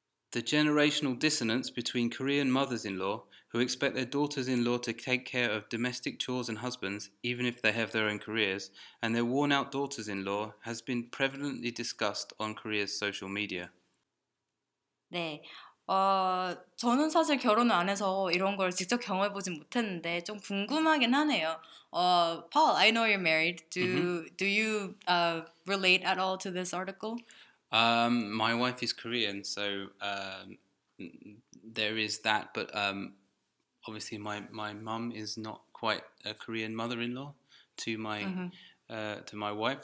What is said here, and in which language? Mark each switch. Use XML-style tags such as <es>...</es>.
<en>The generational dissonance between Korean mothers-in-law, who expect their daughters-in-law to take care of domestic chores and husbands, even if they have their own careers, and their worn-out daughters-in-law, has been prevalently discussed on Korea's social media.</en> <ko>네. 저는 사실 결혼을 안 해서 이런 걸 직접 경험해보진 못했는데 좀 궁금하긴 하네요.</ko> <en>Paul, I know you're married. Do you relate at all to this article? My wife is Korean, so there is that. But obviously my mum is not quite a Korean mother-in-law to my to my wife.</en>